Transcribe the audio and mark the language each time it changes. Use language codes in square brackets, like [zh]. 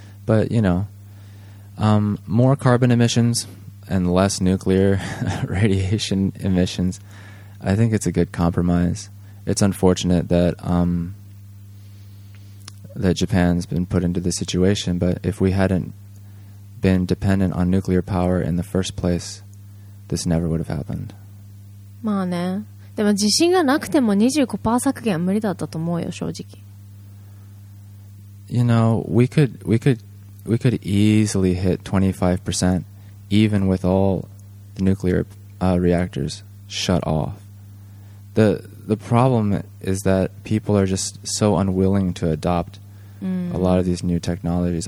[en] But, you know, more carbon emissions and less nuclear radiation emissions, I think it's a good compromise. It's unfortunate that that Japan's been put into this situation, but if we hadn't been dependent on nuclear power in the first place, this never would have happened. [ja] まあね。でも地震がなくても 25% 削減は無理だったと思うよ、正直。 [en] You know, we could easily hit 25% even with all the nuclear reactors shut off. The problem is that people are just so unwilling to adopt a lot of these new technologies.